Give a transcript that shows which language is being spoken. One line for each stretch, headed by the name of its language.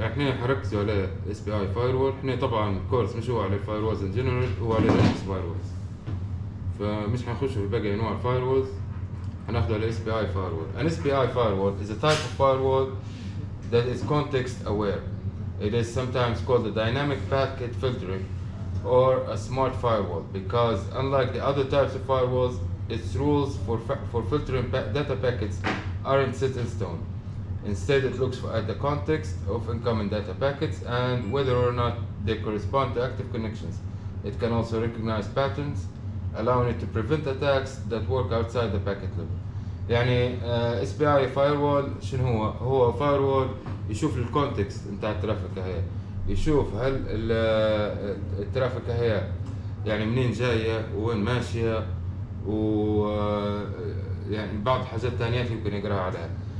Arabic: إحنا حركت على SPI firewall. إحنا طبعاً كورس مش هو على
English: firewalls in general,
Arabic: هو على Linux firewalls. فمش هنخش في باقي أنواع firewalls. هناخد على SPI firewall.
English: An SPI firewall is a type of firewall that is context aware. It is sometimes called a dynamic packet filtering or a smart firewall because unlike the other types of firewalls, its rules for filtering data packets aren't set in stone. Instead, it looks at the context of incoming data packets and whether or not they correspond to active connections. It can also recognize patterns, allowing it to prevent attacks that work outside the packet level.
Arabic: يعني SPI firewall شنو هو؟ هو firewall يشوف الكونتكست نتاع الترافيك هي, يشوف هل الترافيك هي يعني منين جاية وين ماشية, و يعني بعض حاجات تانية يمكن يقرأها عليها.